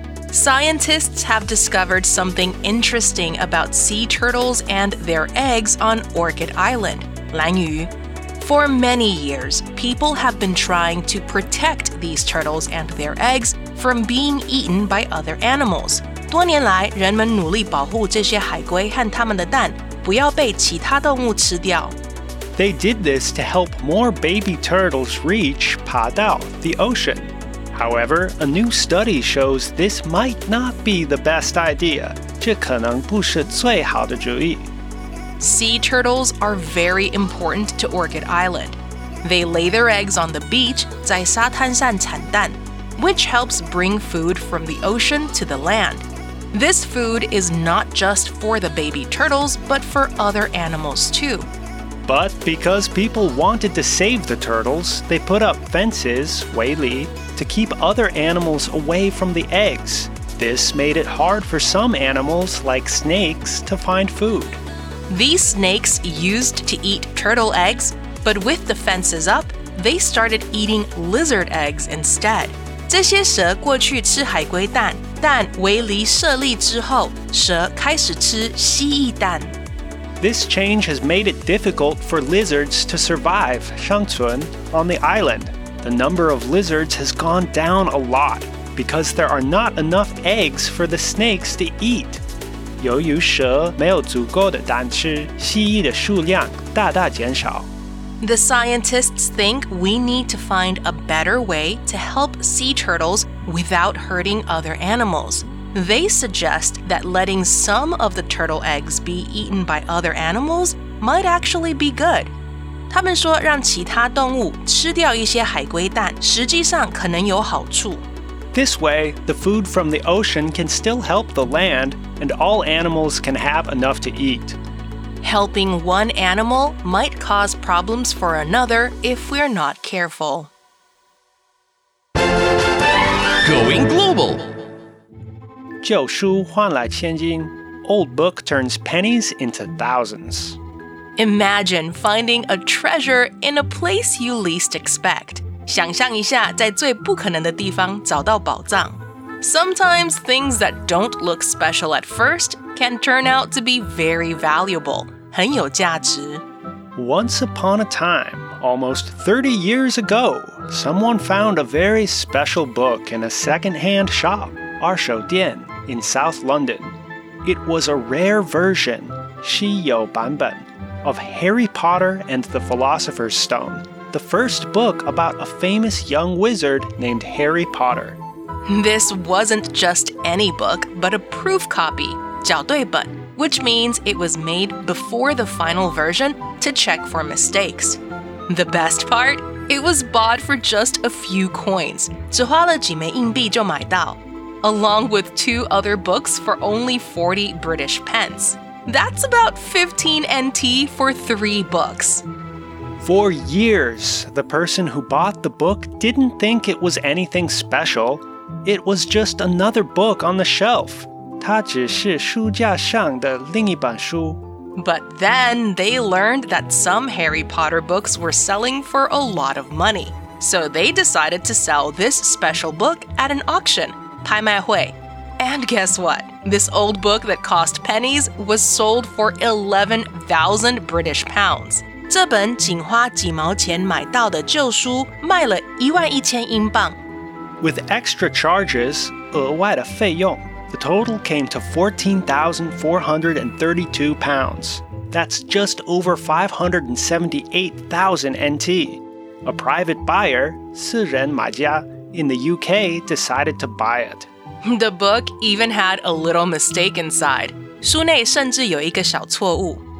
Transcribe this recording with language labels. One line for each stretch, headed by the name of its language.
English: Scientists have discovered something interesting about sea turtles and their eggs on Orchid Island, 蓝鱼. For many years, people have been trying to protect these turtles and their eggs from being eaten by other animals.
Chinese: 多年来，人们努力保护这些海龟和它们的蛋，不要被其他动物吃掉。
English: They did this to help more baby turtles reach 爬到 the ocean. However, a new study shows this might not be the best idea.
Chinese: 这可能不是最好的主意。
English: Sea turtles are very important to Orchid Island. They lay their eggs on the beach, 在沙滩上产蛋, which helps bring food from the ocean to the land. This food is not just for the baby turtles, but for other animals too. But because people wanted to save the turtles, they put up fences, 围篱, to keep other animals away from the eggs. This made it hard for some animals, like snakes, to find food. These snakes used to eat turtle eggs, but with the fences up, they started eating lizard eggs instead.
Chinese: 这些蛇过去吃海龟蛋，但围篱设立之后，蛇开始吃蜥蜴蛋。
English: This change has made it difficult for lizards to survive 生存, on the island. The number of lizards has gone down a lot because there are not enough eggs for the snakes to eat.
Chinese: 由于蛇没有足够的蛋吃,蜥蜴的数量大大减少。
English: The scientists think we need to find a better way to help sea turtles without hurting other animals. They suggest that letting some of the turtle eggs be eaten by other animals might actually be good.
Chinese: 他们说让其他动物吃掉一些海龟蛋实际上可能有好处。
English: This way, the food from the ocean can still help the land, and all animals can have enough to eat. Helping one animal might cause problems for another if we're not careful. Going global.
Chinese: 舊書換來千金, Old Book Turns Pennies into Thousands.
English: Imagine finding a treasure in a place you least expect.
Chinese: 想象一下在最不可能的地方找到宝藏。
English: Sometimes things that don't look special at first can turn out to be very valuable.
Chinese: 很有价值。
English: Once upon a time, almost 30 years ago, someone found a very special book in a second-hand shop. 二手店 in South London. It was a rare version, 稀有版本, of Harry Potter and the Philosopher's Stone, the first book about a famous young wizard named Harry Potter. This wasn't just any book, but a proof copy, 校对本, which means it was made before the final version to check for mistakes. The best part? It was bought for just a few coins,
Chinese: 只花了几枚硬币就买到。
English: Along with two other books for only 40 British pence. That's about 15 NT for three books. For years, the person who bought the book didn't think it was anything special. It was just another book on the shelf.
Chinese: 它只是书架上的另一本书。
English: But then they learned that some Harry Potter books were selling for a lot of money. So they decided to sell this special book at an auction.拍卖会, And guess what? This old book that cost pennies was sold for 11,000 British pounds.
Chinese: 这本仅花几毛钱买到的旧书卖了11,000英镑。
English: With extra charges, 额外的费用, the total came to 14,432 pounds. That's just over 578,000 NT. A private buyer, 私人买家, in the UK decided to buy it. The book even had a little mistake inside.
Chinese: 书内甚至有一个小错误。